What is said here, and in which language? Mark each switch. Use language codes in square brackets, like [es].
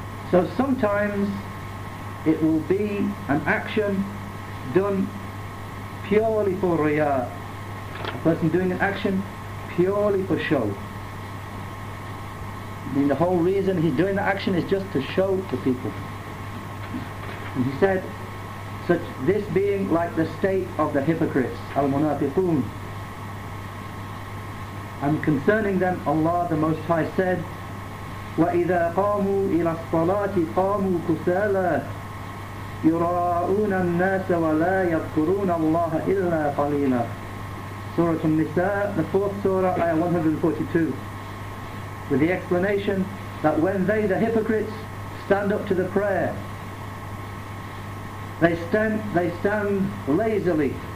[en] So sometimes it will be an action done purely for riya, a person doing an action purely for show. I mean, the whole reason he's doing the action is just to show to people. And he said, such this being like the state of the hypocrites, al-munafiqoon. And concerning them, Allah the Most High said, [ar] وَإِذَا قَامُوا إِلَى الصَّلَاةِ قَامُوا كُسَالًا يُرَاءُونَ النَّاسَ وَلَا يَذْكُرُونَ اللَّهَ إِلَّا قَلِيلًا. [en] Surah An-Nisa, the fourth surah, ayah 142. With the explanation that when they, the hypocrites, stand up to the prayer, they stand lazily.